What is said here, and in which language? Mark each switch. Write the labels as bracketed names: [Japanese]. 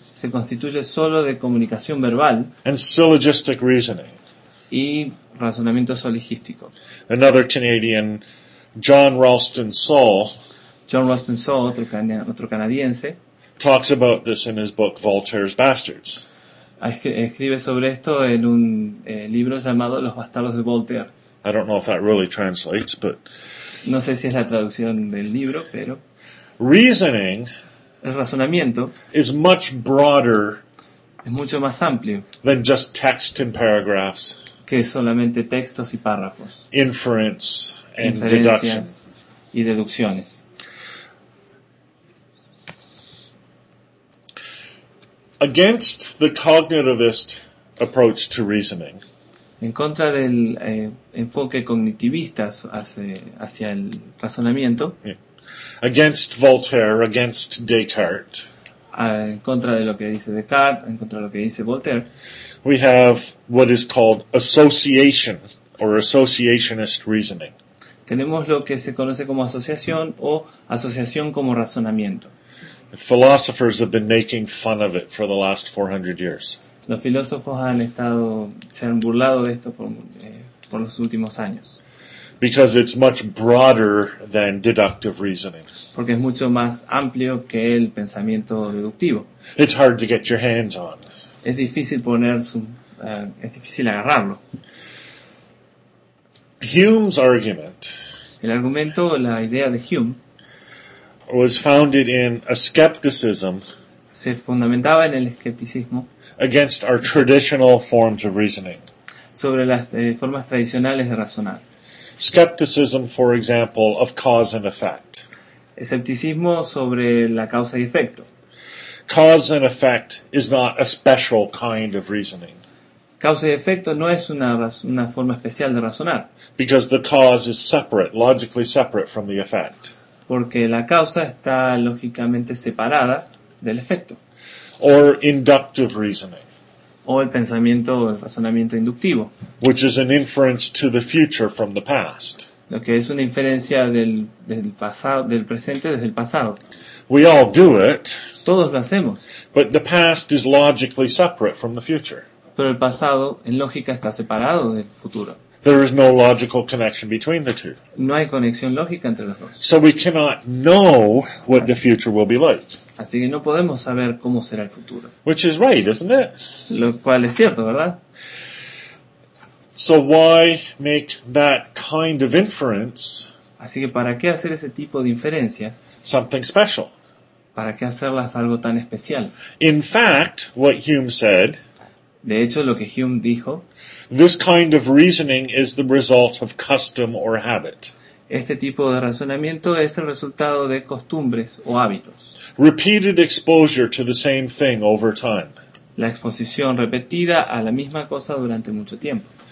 [Spanish] se constituye solo de comunicación verbal [English] and syllogistic reasoning [Spanish] y razonamiento sologístico. [English] Another Canadian, John Ralston Saul, [Spanish] otro canadiense, [English] talks about this in his book Voltaire's Bastards. [Spanish] Escribe sobre esto en un libro llamado Los Bastardos de Voltaire. [English] I don't know if that really translates, but [Spanish] no sé si es la traducción del libro, pero [English] reasoning, [Spanish] el razonamiento, [English] is much broader, [Spanish] es mucho más amplio [English] than just text and paragraphs, [Spanish] que solamente textos y párrafos. [English] Inference and deduction. [Spanish] Y deducciones. [English] Against the cognitivist approach to reasoning. [Spanish] En contra del enfoque cognitivista hacia el razonamiento. [English] Yeah. Against Voltaire, against Descartes. [Spanish] En contra de lo que dice Descartes, en contra de lo que dice Voltaire. [English] We have what is called association or associationist reasoning. [Spanish] Tenemos lo que se conoce como asociación o asociación como razonamiento. [English] Philosophers have been making fun of it for the last 400 years. [Spanish] Los filósofos se han burlado de esto por los últimos años. [English] Because it's much broader than deductive reasoning. [Spanish] Porque es mucho más amplio que el pensamiento deductivo. [English] It's hard to get your hands on. [Spanish] Es difícil agarrarlo. [English] Hume's argument. [Spanish] El argumento, la idea de Hume. [English] Was founded in a skepticism. [Spanish] Se fundamentaba en el escepticismo. [English] Against our traditional forms of reasoning. [Spanish] Sobre las formas tradicionales de razonar. [English] Skepticism, for example, of cause and effect. [Spanish] Escepticismo sobre la causa y efecto. [English] Cause and effect is not a special kind of reasoning. [Spanish] Causa y efecto no es una forma especial de razonar. [English] Because the cause is separate, logically separate from the effect. [Spanish] Porque la causa está lógicamente separada del efecto. [English] Or inductive reasoning. [Spanish] O el pensamiento o el razonamiento inductivo. [English] Which is an inference to the future from the past. [Spanish] Lo que es una inferencia del pasado, del presente desde el pasado. [English] We all do it. [Spanish] Todos lo hacemos. [English] But the past is logically separate from the future. [Spanish] Pero el pasado en lógica está separado del futuro. [English] There is no logical connection between the two. [Spanish] No hay conexión lógica entre los dos. [English] So we cannot know what the future will be like. [Spanish] Así que no podemos saber cómo será el futuro. [English] Which is right, isn't it? [Spanish] Lo cual es cierto, ¿verdad? [English] So why make that kind of inference? [Spanish] Así que ¿para qué hacer ese tipo de inferencias? [English] Something special. [Spanish] ¿Para qué hacerlas algo tan especial? [English] In fact, what Hume said. [Spanish] De hecho, lo que Hume dijo. [English] This kind of reasoning is the result of custom or habit. [Spanish] Este tipo de razonamiento es el resultado de costumbres o hábitos. [English] Repeated exposure to the same thing over time. [Spanish] La exposición repetida a la misma cosa durante mucho tiempo.